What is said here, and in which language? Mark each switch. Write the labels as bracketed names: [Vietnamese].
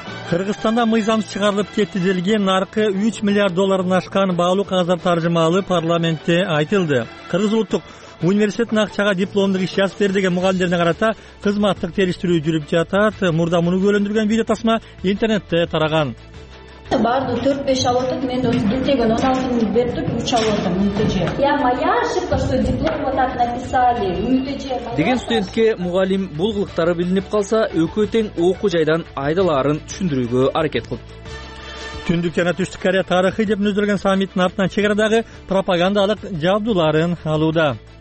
[Kyrgyz] Кыргызстанда мыйзам чыгарылып кетилген наркы 3 миллиард долларын ашкан баалуу кагаздар таржымалы парламентте айтылды. Кыргыз улуттук университетинин акчага дипломдук иш жазып берилген мугалимдерине карата кызматтык териштирүү жүрүп жатат. Мурда муну көрүндүргөн видео тасма интернетте тараган. Баардыгы 4-5 алып атып, мен өзүм бүтөгөн 16 миң бердип 3 алып атам үмүтөже. [Russian] Я моя ошибка, что диплом вот так написали. [Kyrgyz] Үмүтөже. Деген студентке мугалим бул кылыктары билинип калса, өкө тең окуу жайдан айдаларын түшүндүрүүгө аракет кылды. Түндүк жана Түштүк Корея тарыхы деп мүнөздөлгөн саммиттин артынан чек арадагы пропагандалык жабдууларын алууда.